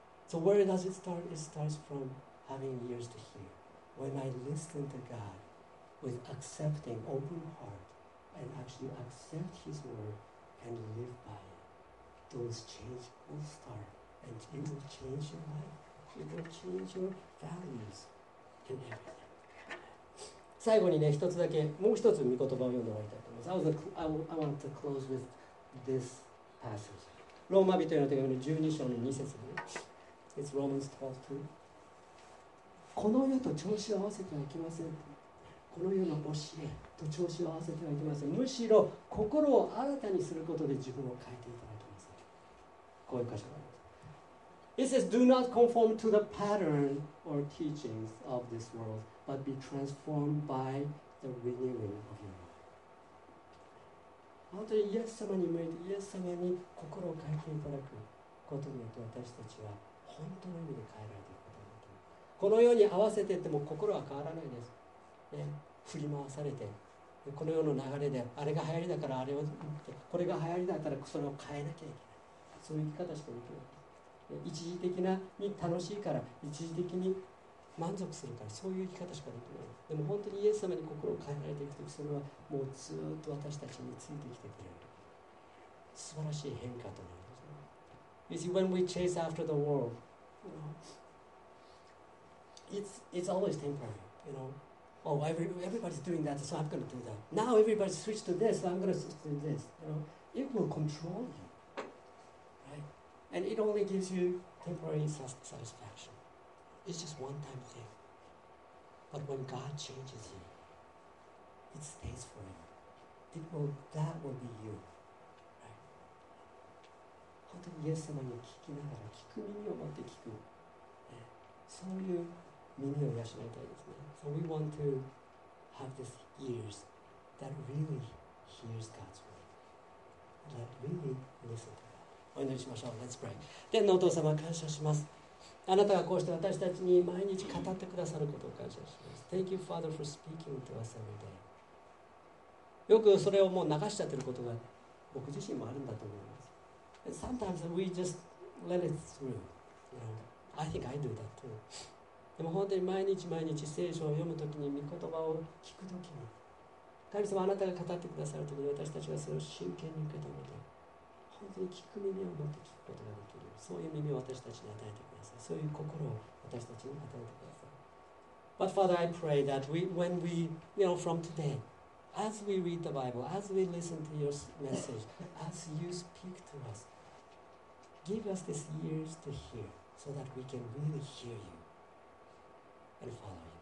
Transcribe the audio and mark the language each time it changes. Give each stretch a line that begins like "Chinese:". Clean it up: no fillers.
English: So where does it start? It starts from having ears to hear. When I listen to God with accepting open heart and actually accept His word and live by it, those changes will start and it will change your life. It will change your values and everything.
Japanese: 最後にね、一つだけ、もう一つ御言葉を読んで終わりたいと思います。
English: I want to close with this passage.
Japanese: ローマ人への手紙の12章の2節で、
English: It's Romans 12:2.
Japanese: この世と調子を合わせてはいけません。この世の教えと調子を合わせてはいけません。むしろ心を新たにすることで自分を変えていただきます。こういう箇所があります。
English: It says, Do not conform to the pattern or teachings of this world. But be transformed by the renewing of your mind.
Japanese: 本当にイエス様に向いて、イエス様に心を変えていただくことによって、私たちは本当の意味で変えられていくことになる。この世に合わせていっても心は変わらないです。ね、振り回されて、この世の流れで、あれが流行りだからあれを、これが流行りだったらそれを変えなきゃいけない。そういう生き方しかできない。一時的に楽しいから、一時的に満足するから、そういう生き方しかできない。でも本当にイエス様に心を変えられていくとき、それはもうずっと私たちについてきてくれる。素晴らしい変化となるんです
English: ね。You see, when we chase after the world, you know, it's always temporary, you know. Oh, everybody's doing that, so I'm going to do that. Now everybody's switched to this, so I'm going to switch to this. You know, it will control you, right? And it only gives you temporary satisfaction. It's just one time thing. But when God changes you, it stays forever. It will, that will be you. Right?
Japanese: 本当にイエス様に聞きながら、聞く耳を持って聞く。ね、そういう耳を養いたいですね。
English: So we want to have these ears that really hears God's word. That really listen to God.
Japanese: お祈りしましょう。
English: Let's pray.
Japanese: 天のお父様、感謝します。あなたがこうして私たちに毎日語ってくださることを感謝します。
English: Thank you, Father, for speaking to us every day.
Japanese: よくそれをもう流しちゃってることが僕自身もあるんだと思います。
English: And sometimes we just let it through. You know, I think I do that too.
Japanese: でも本当に毎日毎日聖書を読むときに御言葉を聞くときに、神様あなたが語ってくださるときに私たちはそれを真剣に受け止めて、本当に聞く耳を持って聞くことができる。そういう耳を私たちに与えてください。そういう心を私たちに与えてください。
English: But Father, I pray that we, when we, you know, from today, as we read the Bible, as we listen to your message, as you speak to us, give us these ears to hear, so that we can really hear you and follow you.